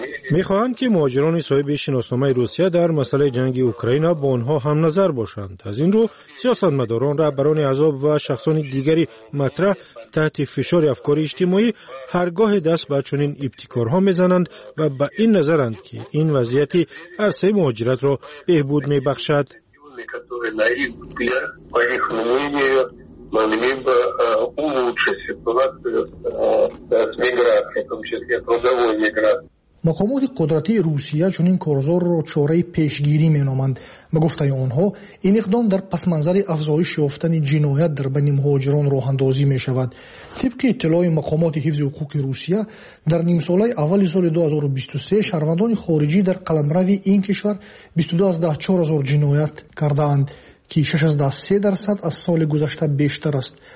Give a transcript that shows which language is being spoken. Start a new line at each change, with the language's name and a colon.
Persian: میخواهند که مهاجران صاحب شناسنامه روسیه در مسئله جنگ اوکراین با آنها هم نظر باشند. از این رو سیاستمداران رهبران عذاب و شخصان دیگری مطرح تحت فشار افکار اجتماعی هرگاه دست به چنین ابتکارها میزنند و به این نظرند که این وضعیت عرصه مهاجرت را بهبود میبخشد.
Russian: Которые на их взгляд, по их мнению, могли бы улучшить ситуацию с миграцией, в том числе трудовой миграцией.
Persian: مقامات قدرتی روسیه چنین کارزار را چاره پیشگیری می‌نامند. به گفته آنها این اقدام در پس منظر افزایش یافتن جنایت در بین مهاجران راه اندازی می‌شود. طبق اطلاع مقامات حفظ حقوق روسیه در نیم سال اول سال 2023 شهروندان خارجی در قلمرو این کشور 22,400 جنایت کرده‌اند که 6.3% از سال گذشته بیشتر است.